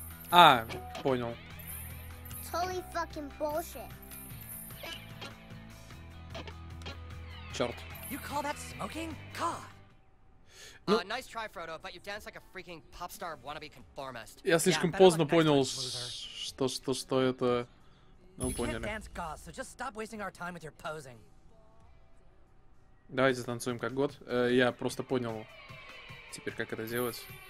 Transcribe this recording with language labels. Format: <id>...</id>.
<ru>Ah, понял.</ru> <en>Totally fucking bullshit.</en> <ru>Черт.</ru> <en>You call that smoking? God.</en> <ru>Ну,</ru> <en>nice try, Frodo, but you dance like a freaking pop star wannabe conformist.</en> <ru>Я слишком поздно понял, что это. Ну, поняли.</ru> <en>Dance God, so just stop wasting our time with your posing.</en> <ru>Давайте танцуем как год. Я просто понял теперь, как это делать.</ru>